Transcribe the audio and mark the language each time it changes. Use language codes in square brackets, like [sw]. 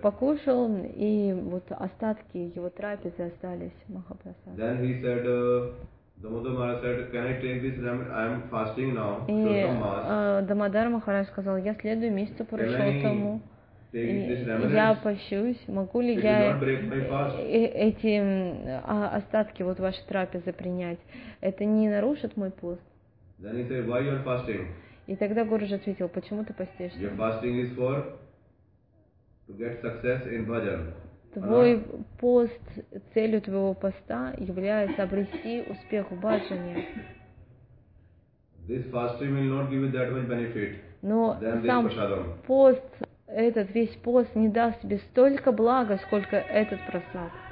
[ru] покушал, и вот остатки его трапезы остались Махапрасад. [en] Then he said, Дамодар Махарадж said, can I take this remedy? I am fasting now. [ru] И Дамодар Махарадж сказал, я следую месяцу Пурушоттаму. Я пощусь, могу ли я эти остатки вот вашей трапезы принять? Это не нарушит мой пост? [en] Then he said, why you are fasting? [ru] И тогда Гуруджи ответил, почему ты постишься? [en] Your fasting is for to get success in bhajan. [ru] Твой пост, целью твоего поста является обрести успех в бхаджане. [en] This fasting will not give you that much benefit. [ru] Но [en] than [ru] сам пост этот весь пост не даст тебе столько блага, сколько этот просад.